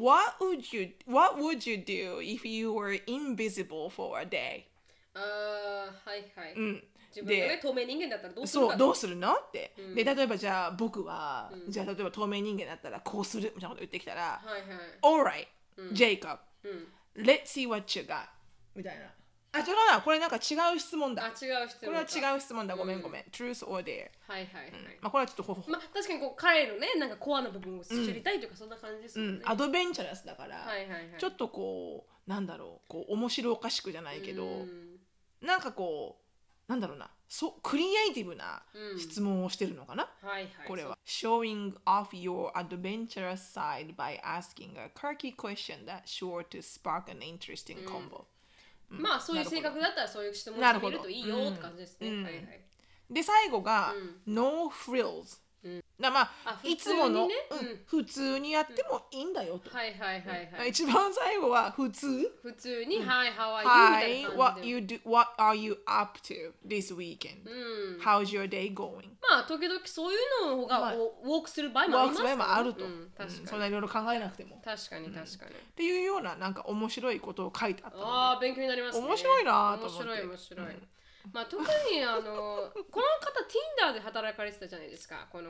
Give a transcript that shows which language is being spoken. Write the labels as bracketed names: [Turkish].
[English] What would you do if you were invisible for a day? はいはい、うん、 [Japanese] 自分が、ね、透明人間だったらどうするか、そう、どうするのって、うん、で例えばじゃあ僕は、うん、じゃあ例えば透明人間だったらこうするみたいなこと言ってきたら、はいはい、 [English] Alright,、うん、 Jacob、うん、 Let's see what you got [Japanese] みたいな、あ、違うな、これなんか違う質問だ、あ、違う質問、これは違う質問だ、ごめんごめん、うん、Truth or Dare、はいはいはい、うん、まあこれはちょっとほほ、まあ確かにこう彼のね、なんかコアな部分を知りたいとか、うん、そんな感じですよね、うん、アドベンチャラスだから、はいはいはい、ちょっとこう、なんだろう、こう面白おかしくじゃないけど、うん、なんかこう、なんだろうな、そクリエイティブな質問をしてるのかな、うん、はいはい、 [English] これは Showing off your adventurous side by asking a quirky question that's sure to spark an interesting combo、 [Japanese] うん、まあそういう性格だったらそういう質問してみるといいよって感じですね、うんうん、はいはい、で最後が、うん、No frills、うん、だまあ、いつもの、ね、うん、普通にやってもいいんだよと、はいはいはいはい、一番最後は普通、普通に、うん、 [English] Hi, how are you? Hi, what, you do, what are you up to this weekend?、うん、 How's your day going? [Japanese] まあ時々そういうのが、まあ、ウォークする場合もありますよね。ウォークする場合もあると、うん、確かに、うん、そんないろいろ考えなくても確かに確かに、うん、っていうようななんか面白いことを書いてあったので、あ、勉強になりますね。面白いなと思って、面白い面白い、うん、まあ、特にあのこの方 Tinder で働かれてたじゃないですか、この